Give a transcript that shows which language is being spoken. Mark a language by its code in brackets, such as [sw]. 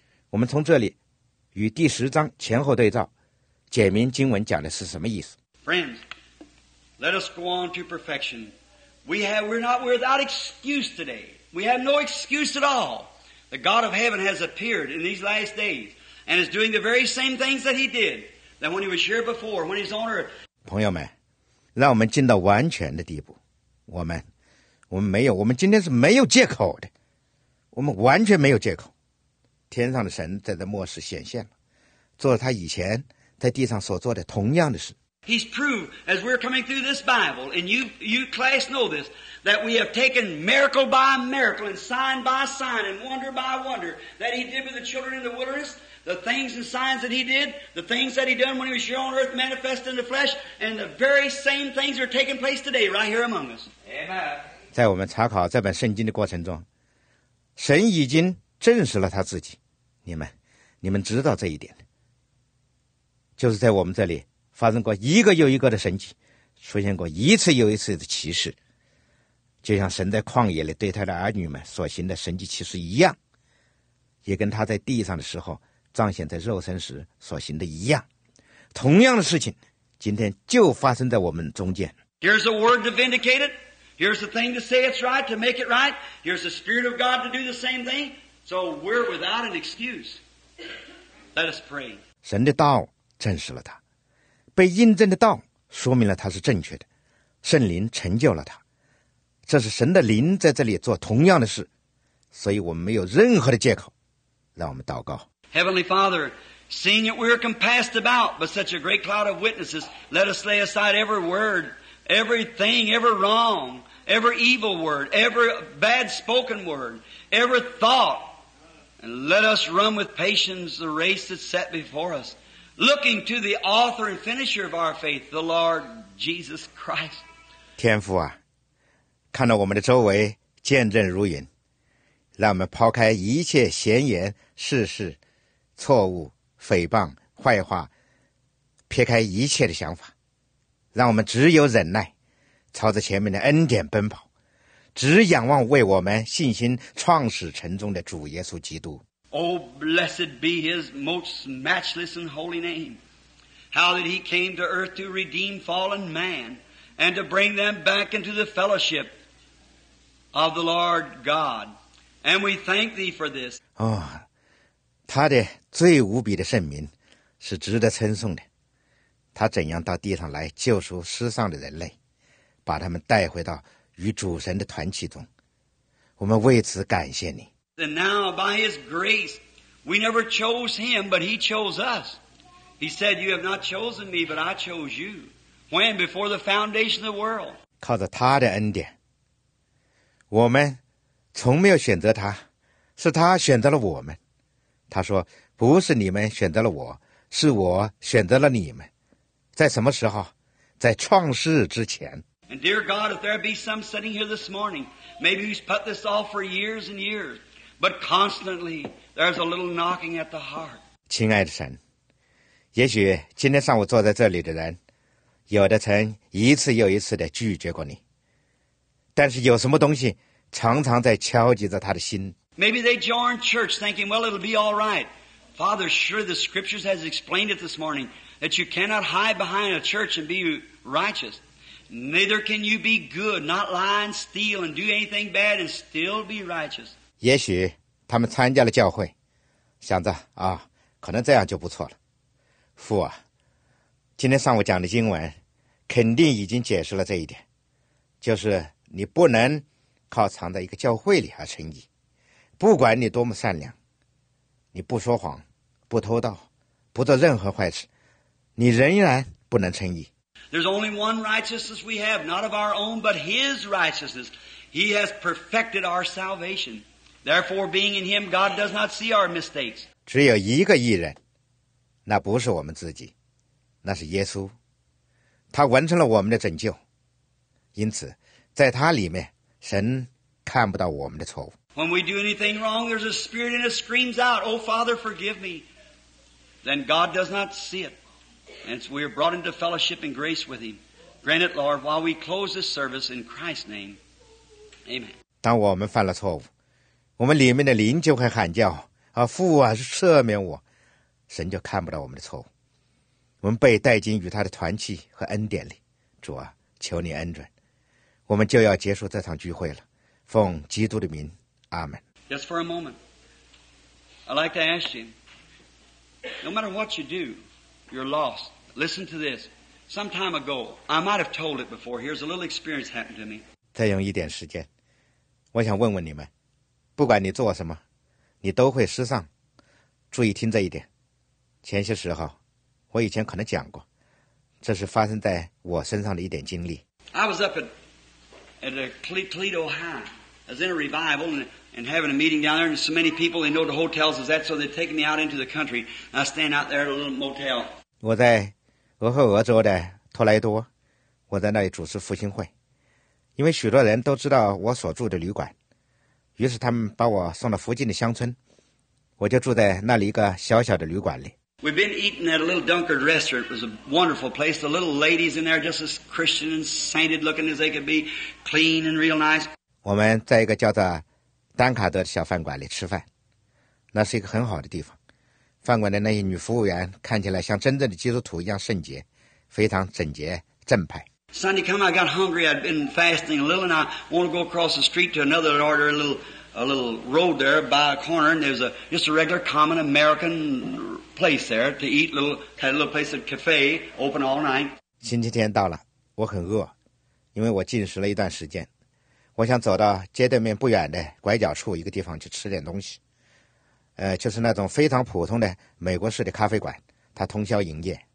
[zh] 我们从这里与第十章前后对照，简明经文讲的是什么意思。 [en] Friends, let us go on to perfection. We're not without excuse today. We have no excuse at all. The God of heaven has appeared in these last days and is doing the very same things that he did that when he was here before, when he's on earth. [zh] 朋友们，让我们进到完全的地步。我们没有，我们今天是没有借口的，我们完全没有借口。天上的神在这末世显现了，做了他以前在地上所做的同样的事。 [en] He's proved as we're coming through this Bible, and you class know this, that we have taken miracle by miracle and sign by sign and wonder by wonder that he did with the children in the wilderness, the things and signs that he did, the things that he done when he was here on earth manifest in the flesh, and the very same things are taking place today right here among us. Amen. [zh] 在我们查考这本圣经的过程中，神已经证实了他自己，你们知道这一点，就是在我们这里发生过一个又一个的神迹，出现过一次又一次的奇事，就像神在旷野里对他的儿女们所行的神迹奇事一样，也跟他在地上的时候彰显在肉身时所行的一样。同样的事情今天就发生在我们中间。 [en] Here's a word to vindicate it. Here's the thing to say it's right, to make it right. Here's the Spirit of God to do the same thing. So we're without an excuse. Let us pray. [zh] 神的道证实了他，被印证的道说明了他是正确的，圣灵成就了他，这是神的灵在这里做同样的事，所以我们没有任何的借口。让我们祷告。 [en] Heavenly Father, seeing that we are compassed about by such a great cloud of witnesses, let us lay aside every word, everything, every wrong, every evil word, every bad spoken word, every thought, and let us run with patience the race that's set before us, looking to the author and finisher of our faith, the Lord Jesus Christ. [zh] 天父啊，看到我们的周围见证如云，让我们抛开一切闲言世事、错误、诽谤、坏话，撇开一切的想法，让我们只有忍耐，朝着前面的恩典奔跑，只仰望为我们信心创始成终的主耶稣基督。 [en] Oh, blessed be his most matchless and holy name. How that he came to earth to redeem fallen man and to bring them back into the fellowship of the Lord God. And we thank thee for this. [zh] Oh, 他的最无比的圣名是值得称颂的。他怎样到地上来救赎失丧的人类，把他们带回到与主神的团契中。我们为此感谢你。 [en] And now, by his grace, we never chose him, but he chose us. He said, you have not chosen me, but I chose you. When? Before the foundation of the world. [zh] 靠着他的恩典，我们从没有选择他，是他选择了我们。他说，不是你们选择了我，是我选择了你们。在什么时候？在创世之前。 [en] And dear God, if there be some sitting here this morning, maybe who's put this off for years and years, but constantly there's a little knocking at the heart. [zh] 亲爱的神，也许今天上午坐在这里的人，有的曾一次又一次地拒绝过你，但是有什么东西常常在敲击着他的心。 [en] Maybe they join church thinking, well, it'll be all right. Father, sure the scriptures has explained it this morning that you cannot hide behind a church and be righteous. Neither can you be good, not lie and steal and do anything bad and still be righteous. [zh] 也许他们参加了教会，想着啊，可能这样就不错了。父啊，今天上午讲的经文肯定已经解释了这一点，就是你不能靠藏在一个教会里而称义。不管你多么善良，你不说谎，不偷盗，不做任何坏事，你仍然不能称义。 [en] There's only one righteousness we have, not of our own, but His righteousness. He has perfected our salvation. Therefore, being in Him, God does not see our mistakes. [zh] 只有一个义人，那不是我们自己，那是耶稣。他完成了我们的拯救，因此，在他里面，神看不到我们的错误。 [en] When we do anything wrong, there's a spirit in us screams out, Oh, Father, forgive me. Then God does not see it. And so we are brought into fellowship and grace with Him. Grant it, Lord, while we close this service in Christ's name. Amen. [zh] 当我们犯了错误，我们里面的灵就会喊叫，啊，父啊，赦免我。神就看不到我们的错误。我们被带进与他的团契和恩典里。主啊，求你恩准。我们就要结束这场聚会了。奉基督的名。Amen. [en] Just for a moment, I'd like to ask you, no matter what you do, you're lost. Listen to this. Some time ago, I might have told it before. Here's a little experience happened to me. [zh] 再用一点时间，我想问问你们，不管你做什么，你都会失丧。注意听这一点。前些时候，我以前可能讲过，这是发生在我身上的一点经历。 [en] I was up at a Toledo High. I was in a revival and having a meeting down there, and so many people, they know the hotels is that, so they've taken me out into the country. And I stand out there at a little motel. [zh] 我在俄亥俄州的托莱多，我在那里主持复兴会，因为许多人都知道我所住的旅馆，于是他们把我送到附近的乡村，我就住在那里一个小小的旅馆里。 [en] We've been eating at a little Dunkard restaurant. It was a wonderful place. The little ladies in there, just as Christian and sainted looking as they could be, clean and real nice. [zh] 我们在一个叫做丹卡德的小饭馆里吃饭，那是一个很好的地方。饭馆的那些女服务员看起来像真正的基督徒一样圣洁，非常整洁正派。 [en] Sunday come, I got hungry. I'd been fasting a little, and I want to go across the street to another and order a little road there by a corner. And there's just a regular common American place there to eat. Had a little place at cafe open all night. [zh] 星期天到了，我很饿，因为我进食了一段时间。我想走到街对面不远的拐角处一个地方去吃点东西，就是那种非常普通的美国式的咖啡馆，它通宵营业。